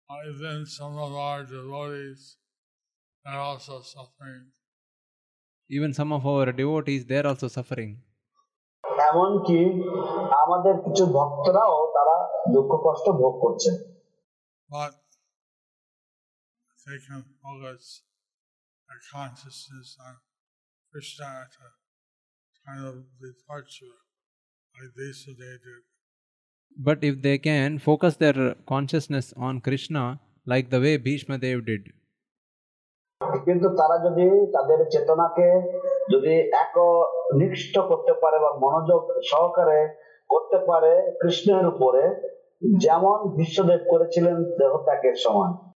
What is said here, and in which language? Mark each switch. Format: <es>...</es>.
<en>Even some of our devotees are also suffering. Even some of our devotees, they are also suffering.</en> <bn>এমনকি আমাদের কিছু ভক্তরাও তারা দুঃখ কষ্ট ভোগ করছে.</bn> <en>But they can focus our consciousness on Krishna at a time of departure, like Vasudeva did. But if they can focus their consciousness on Krishna, like the way Bhishma Dev did.</en> <bn>কিন্তু তারা যদি তাদের চেতনাকে যদি একনিষ্ঠ করতে পারে বা মনোযোগ সহকারে করতে পারে কৃষ্ণের উপরে যেমন ভীষ্মদেব করেছিলেন দেহত্যাগের সময়.</bn>